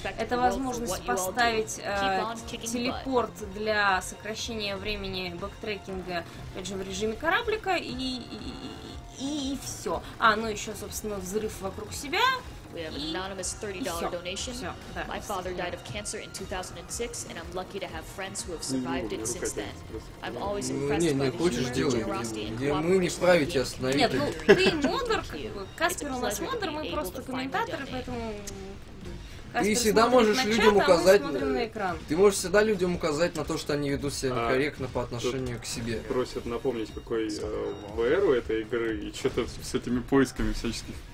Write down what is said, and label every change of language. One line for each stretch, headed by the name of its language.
Russian: Это возможность поставить телепорт для сокращения времени бэктрекинга, опять же, в режиме кораблика, и все. А, ну еще, собственно, взрыв вокруг себя.
English: We have an anonymous $30 donation. My father died of cancer in 2006, and I'm lucky to have friends who have survived it since then. I'm always impressed by the humor, generosity, and cooperation.
Russian: Нет, ну ты модер, Каспер у нас модер, мы просто комментаторы, поэтому. Ты всегда можешь людям указать, а на экран. Ты можешь всегда людям указать на то, что они ведут себя некорректно по отношению к себе. Просят напомнить, какой VR у этой игры и что-то с этими поисками всяческих.